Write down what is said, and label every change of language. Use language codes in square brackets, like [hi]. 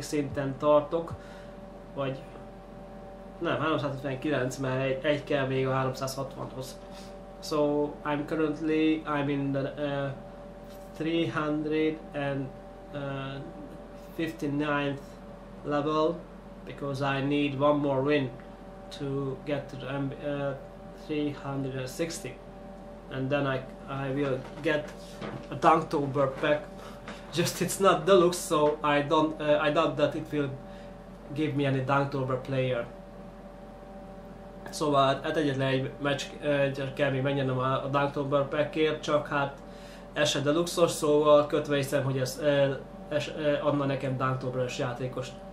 [hu] szinten tartok, vagy nem, 359, mert egy kell még a 360-hoz. [en] So, I'm in the 359th level, because I need one more win to get to the 360. And then I will get a Dunktober pack. Just it's not deluxe, so I doubt that it will give me any Dunktober player. [hu] Szóval hát egyetlen egy meccs kell még menjenem a Dunktober packért, csak hát ez se deluxos, szóval kötve hiszem, hogy ez adna nekem Dunktober-es játékost.